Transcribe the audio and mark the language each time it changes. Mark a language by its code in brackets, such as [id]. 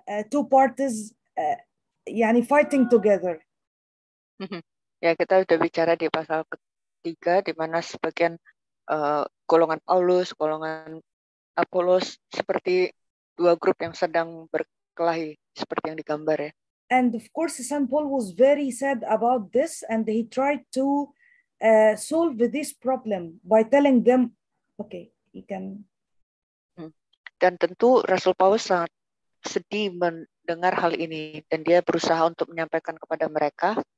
[en] two parties yani fighting together. [id] Ya, kita sudah bicara di pasal ketiga di mana sebagian golongan Paulus, golongan Apolos seperti dua grup yang sedang berkelahi seperti yang digambar ya. [en] And of course Saint Paul was very sad about this and he tried to solve this problem by telling them okay, you can. [id] Dan tentu Rasul Paulus sangat sedih mendengar hal ini dan dia berusaha untuk menyampaikan kepada mereka.